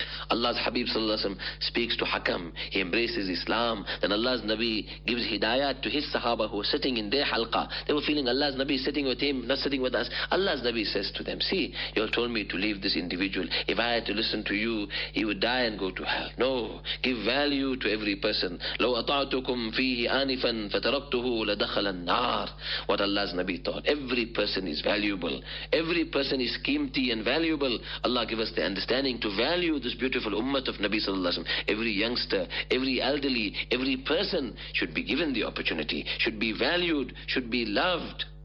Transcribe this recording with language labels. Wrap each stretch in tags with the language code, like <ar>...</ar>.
<en>Allah's Habib sallallahu alayhi wa sallam speaks to Hakam, he embraces Islam, then Allah's Nabi gives hidayat to his sahaba who are sitting in their halqa. They were feeling Allah's Nabi sitting with him, not sitting with us. Allah's Nabi says to them, see, you all told me to leave this individual. If I had to listen to you, he would die and go to hell. No, give value to every person.</en> <ar>لو أطعتكم فيه آنفا فتركته لدخل النار.</ar> <en>What Allah's Nabi taught, every person is valuable, every person is kimti and valuable. Allah give us the understanding to value this beautiful ummah of Nabi sallallahu alaihi wasallam. Every youngster, every elderly, every person should be given the opportunity, should be valued, should be loved.</en>